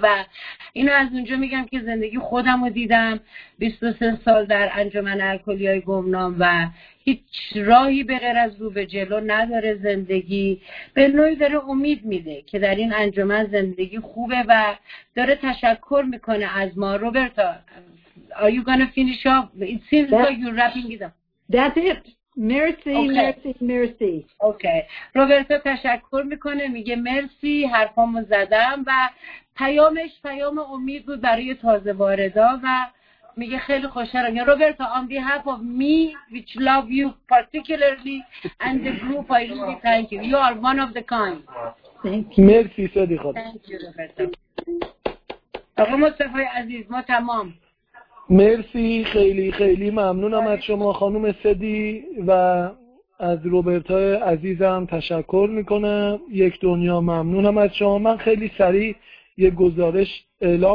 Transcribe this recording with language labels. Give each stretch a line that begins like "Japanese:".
Persian: و اینو از اونجا میگم که زندگی خودم رو دیدم 23 سال در انجمن الکلی‌های گمنام و هیچ راهی به غیر از رو به جلو نداره. زندگی به نوعی داره امید میده که در این انجمن زندگی خوبه و داره تشکر میکنه از ما.
English: Roberto, are you gonna finish up? It seems like you're wrapping it up. That's it. Merci, okay. Merci. Okay.
Persian: روبرتو تشکر میکنه، میگه مرسی، حرفامو زدم. و پیامش پیام امید بود برای تازه واردا و میگه خیلی خوشحالم.
English: Roberto, on behalf of me, which love you particularly, and the group, I really thank you. You are one of the kind. Thank you.
Persian: مرسی صدیقا.
English: Thank you,
Persian: روبرتو. آقا مصطفی عزیز، ما تمام. مرسی، خیلی خیلی ممنونم از شما خانم صدی و از روبرتای عزیزم تشکر میکنم. یک دنیا ممنونم از شما. من خیلی سریع یک گزارش اعلام